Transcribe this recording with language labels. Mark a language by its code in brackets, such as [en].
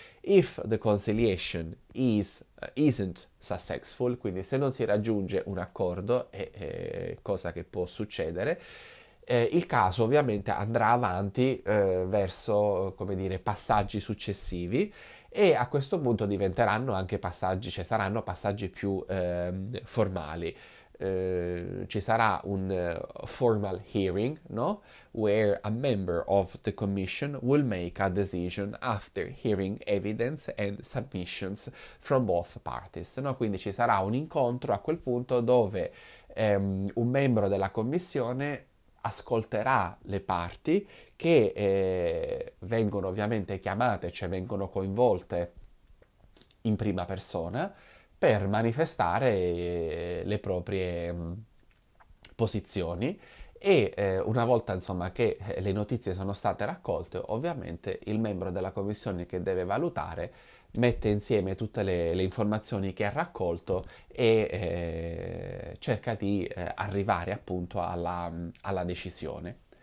[en] If the conciliation isn't successful, [it] quindi se non si raggiunge un accordo, cosa che può succedere, il caso ovviamente andrà avanti verso, come dire, passaggi successivi e a questo punto diventeranno anche passaggi, cioè saranno passaggi più formali. Ci sarà un [en] formal hearing, [it] no? [en] Where a member of the commission will make a decision after hearing evidence and submissions from both parties, no? [it] Quindi ci sarà un incontro a quel punto dove un membro della commissione ascolterà le parti che vengono ovviamente chiamate, cioè vengono coinvolte in prima persona. Per manifestare le proprie posizioni e una volta insomma che le notizie sono state raccolte, ovviamente il membro della commissione che deve valutare mette insieme tutte le informazioni che ha raccolto e cerca di arrivare appunto alla decisione.